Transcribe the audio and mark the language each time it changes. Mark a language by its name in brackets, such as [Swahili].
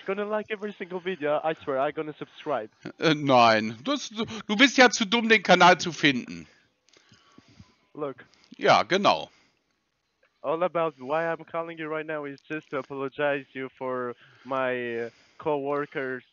[English] I'm gonna like every single video, I swear, I'm gonna subscribe. [German] Nein, du bist ja zu dumm, den Kanal zu finden. [English] Look. [German] Ja, genau. [English] All about why I'm calling you right now is just to apologize you for my co-workers'